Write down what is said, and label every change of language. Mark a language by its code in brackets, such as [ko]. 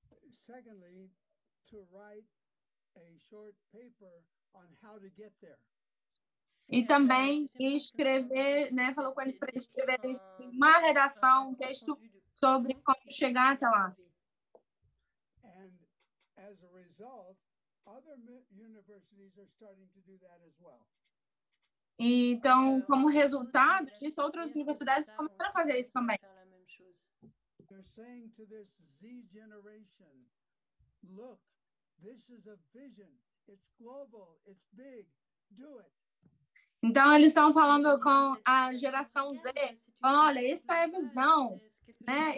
[en] Secondly, to write a short paper on how to get there. [pt] E também escrever, né, falou com eles para escrever uma redação, um texto sobre como chegar até lá. [en] And as a result, other universities are starting to do that as well. [pt] Então, como resultado disso, outras universidades começaram a fazer isso também. [en] They're saying to this Z generation, look, this is a vision. It's global, it's big. Do it. [pt] Então, eles estão falando com a geração Z. Olha, essa é a visão. Né?